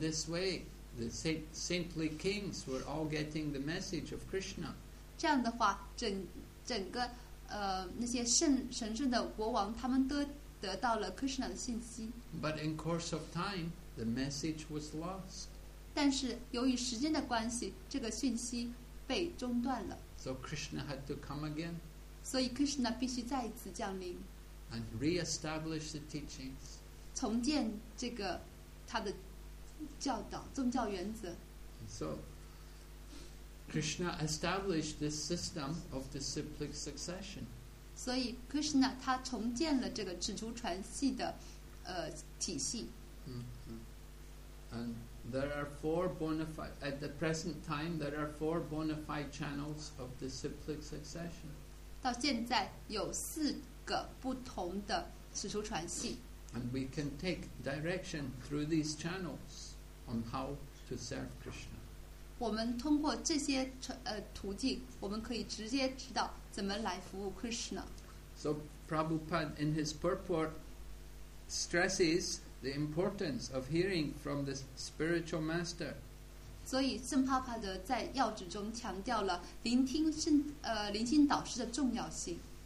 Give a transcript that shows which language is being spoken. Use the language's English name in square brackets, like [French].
[English] this way, the saintly kings were all getting the message of Krishna. [Chinese] 这样的话，整个那些神圣的国王，他们都得到了 Krishna 的信息。 [English] But in course of time, the message was lost. [Chinese] 但是由于时间的关系，这个讯息被中断了。 [English] So Krishna had to come again. [Chinese] 所以 Krishna 必须再一次降临。 [English] And re-establish the teachings. [Chinese] 重建这个他的教导宗教原则。 [English] So Krishna established this system of the cyclic succession. [Chinese] 所以 Krishna 他重建了这个使徒传信的体系。 [English] And there are four bona fide at the present time. There are four bona fide channels of the cyclic succession. [Chinese] 到现在有四个不同的使徒传信。 [English] And we can take direction through these channels on how to serve Krishna. [Chinese] 我们通过这些途径，我们可以直接知道怎么来服务 Krishna. [English] So Prabhupada in his purport stresses the importance of hearing from the spiritual master. [Chinese] 所以圣帕帕德在要旨中强调了聆听灵性导师的重要性。